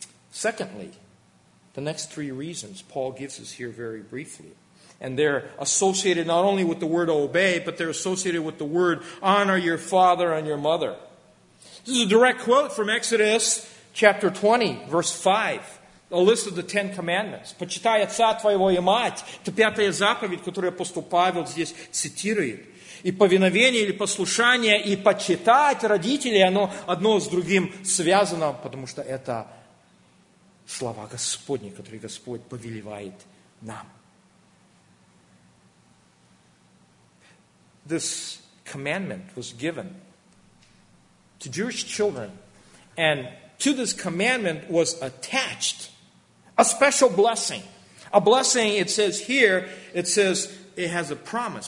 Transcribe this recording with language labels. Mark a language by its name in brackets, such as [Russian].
[English] Secondly, the next three reasons Paul gives us here very briefly. And they're associated not only with the word obey, but they're associated with the word honor your father and your mother. This is a direct quote from Exodus chapter 20, verse 5. A list of the Ten Commandments. [Russian] Почитай отца твоего и мать. Это пятая заповедь, которую апостол Павел здесь цитирует. И повиновение или послушание, и почитать родителей, оно одно с другим связано, потому что это слова Господни, которые Господь повелевает нам. [English] This commandment was given to Jewish children, and to this commandment was attached a special blessing. A blessing, it says here, it says it has a promise.